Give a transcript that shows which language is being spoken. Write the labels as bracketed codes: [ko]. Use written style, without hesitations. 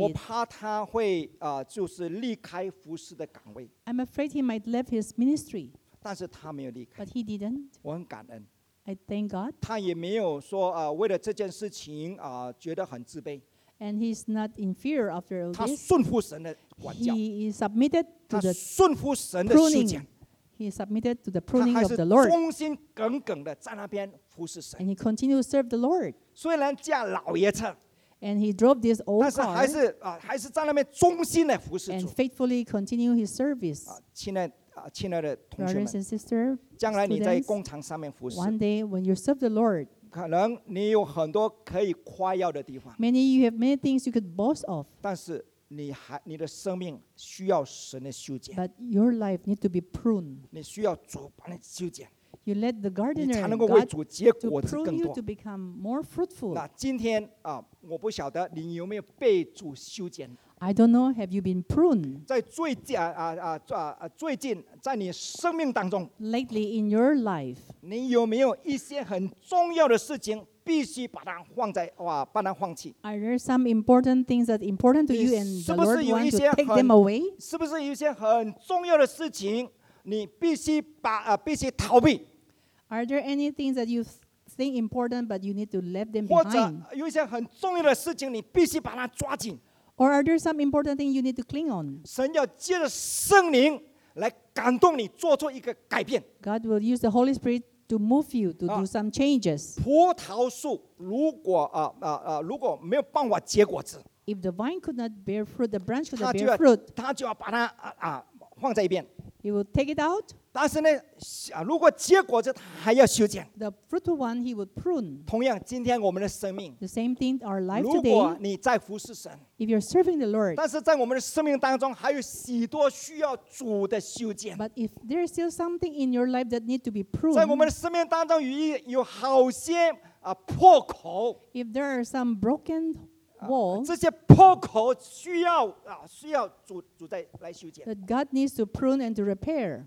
[zh] 我怕他会就是离开服事的岗位。 [en] I'm afraid he might leave his ministry. [zh] 但是他没有离开。 [en] But he didn't. [zh] 我很感恩。 [en] I thank God. [zh] 他也没有说为了这件事情觉得很自卑。 [en] And he's not in fear of your old age. [zh] 他顺服神的管教。 [en] He is submitted to the pruning. He submitted to the pruning of the Lord. [zh] 他还是忠心耿耿的在那边服侍神。 [en] And he continued to serve the Lord. [zh] 虽然驾老爷车。 [en] And he drove this old car. [zh] 但是还是还是在那边忠心的服侍主。 [en] And faithfully continued his service. [zh] 亲爱的同学们。 [en] Brothers and sisters. [zh] 将来你在工厂上面服侍。 [en] One day when you serve the Lord. [zh] 可能你有很多可以夸耀的地方。 [en] Many you have many things you could boast of. [zh] 但是你的生命需要神的修剪。 [en] But your life need to be pruned. [zh] 你需要主把你修剪。 [en] You let the gardener God. [zh] 你才能够为主结果子更多。 [en] To prune you to become more fruitful. [zh] 那今天我不晓得你有没有被主修剪。 [en] I don't know. Have you been pruned? [zh] 在最近，在你生命当中 [en] ，lately in your life， [zh] 你有没有一些很重要的事情，必须把它放在把它放弃 [en] ？Are there some important things that important to you and the Lord wants to take them away？ [zh] 是不是有一些很重要的事情，你必须必须逃避 [en] ？Are there any things that you think important but you need to let them behind？ [zh] 或者有一些很重要的事情，你必须把它抓紧。 [en] Or are there some important thing you need to cling on? [zh] 神要借着圣灵来感动你，做出一个改变。 [en] God will use the Holy Spirit to move you to do some changes. [zh] 葡萄树如果没有办法结果子 [en] ，If the vine could not bear fruit, the branch could not bear fruit. [zh] 他就要把它放在一边。 [en] He will take it out. [zh] 但是呢，如果结果子，他还要修剪。 [en] The fruitful one, he would prune. [zh] 同样，今天我们的生命 [en] ，The same thing, our life today. [zh] 如果你在服侍神。 [en] If you're serving the Lord, [zh] 但是在我们的生命当中还有许多需要主的修剪。 [en] But if there is still something in your life that needs to be pruned, [zh] 在我们的生命当中有好些破口。 [en] If there are some broken walls, [zh] 这些破口需要主再来修剪。 [en] That God needs to prune and to repair.